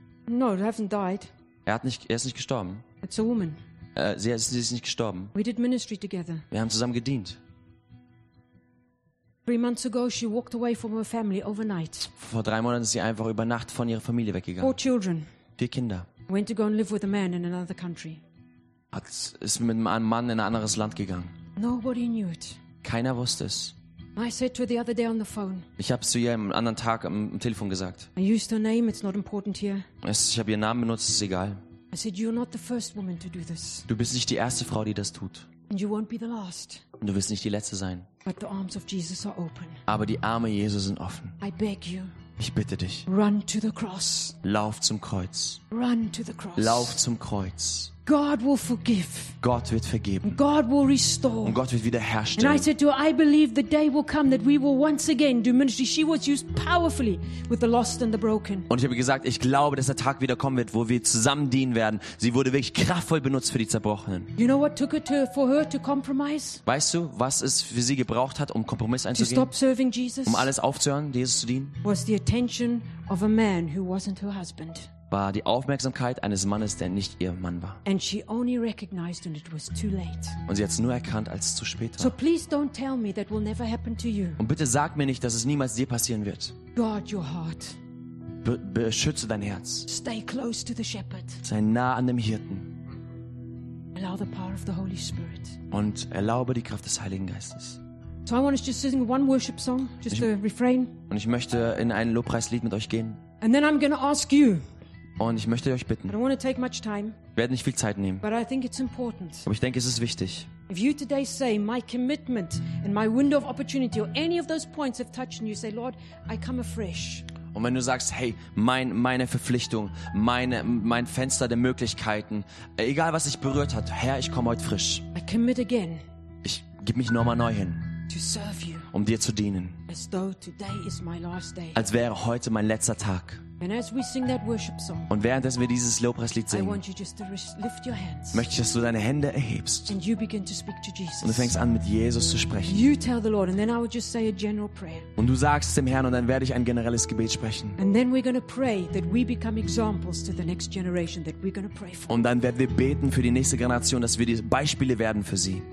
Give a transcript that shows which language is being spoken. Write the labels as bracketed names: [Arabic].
[English] No, he hasn't died. [German] Er ist nicht gestorben. [English] It's a woman. [German] Sie ist nicht gestorben. [English] We did ministry together. [German] Wir haben zusammen gedient. [English] 3 months ago she walked away from her family overnight. [German] Vor 3 Monaten ist sie einfach über Nacht von ihrer Familie weggegangen. [English] 4 children. [German] 4 Kinder. [English] Went to go and live with a man in another country. [German] Ist mit einem Mann in ein anderes Land gegangen. [English] Nobody knew it. [German] Keiner wusste es. [English] I said to her the other day on the phone. [German] Ich habe es zu ihr am anderen Tag am Telefon gesagt. [English] I used her name. It's not important here. [German] Ich habe ihren Namen benutzt. Ist egal. [English] I said you're not the first woman to do this. [German] Du bist nicht die erste Frau, die das tut. [English] And you won't be the last. [German] Und du wirst nicht die letzte sein. [English] But the arms of Jesus are open. [German] Aber die Arme Jesu sind offen. [English] I beg you. [German] Ich bitte dich. [English] Run to the cross. [German] Lauf zum Kreuz. [English] Run to the cross. [German] Lauf zum Kreuz. [English] God will forgive. [German] Gott wird vergeben. [English] God will restore. [German] Und Gott wird wiederherstellen. [English] And I said to her, I believe the day will come that we will once again do ministry. She was used powerfully with the lost and the broken. [German] Und ich habe gesagt, ich glaube, dass der Tag wieder kommen wird, wo wir zusammen dienen werden. Sie wurde wirklich kraftvoll benutzt für die Zerbrochenen. [English] You know what took it to, for her to compromise? [German] Weißt du, was es für sie gebraucht hat, um Kompromiss einzugehen? [English] To stop serving Jesus? [German] Um alles aufzuhören, Jesus zu dienen? [English] Was the attention of a man who wasn't her husband. [German] War die Aufmerksamkeit eines Mannes, der nicht ihr Mann war. [English] And she only recognized and it was too late. [German] Und sie hat es nur erkannt, als es zu spät war. [English] So please don't tell me that will never happen to you. [German] Und bitte sag mir nicht, dass es niemals dir passieren wird. [English] Guard your heart. [German] Beschütze dein Herz. [English] Stay close to the shepherd. [German] Sei nah an dem Hirten. [English] Allow the power of the Holy Spirit. [German] Und erlaube die Kraft des Heiligen Geistes. [English] So I want to just sing one worship song, just a refrain. [German] Und ich möchte in ein Lobpreislied mit euch gehen. [English] And then I'm going to ask you. [German] Und ich möchte euch bitten, [English] I don't want to take much time, [German] ich werde nicht viel Zeit nehmen, [English] but I think it's important. [German] Aber ich denke, es ist wichtig. [English] If you today say my commitment and my window of opportunity or any of those points have touched and you say, Lord, I come afresh. [German] Und wenn du sagst, hey, meine Verpflichtung, mein Fenster der Möglichkeiten, egal was dich berührt hat, Herr, ich komme heute frisch. [English] I commit again. [German] Ich gebe mich nochmal neu hin. [English] To serve you. [German] Um dir zu dienen. [English] As though today is my last day. [German] Als wäre heute mein letzter Tag. [English] And as we sing that worship song, [German] und währenddessen wir dieses Lobpreislied singen, [English] I want you just to lift your hands, [German] möchte ich, dass du deine Hände erhebst [English] and you begin to speak to Jesus. [German] Und du fängst an, mit Jesus zu sprechen. [English] You tell the Lord, and then I will just say a general prayer. [German] Und du sagst es dem Herrn und dann werde ich ein generelles Gebet sprechen. [English] And then we're going to pray that we become examples to the next generation that we're going to pray for. [German] Und dann werden wir beten für die nächste Generation, dass wir die Beispiele werden für sie.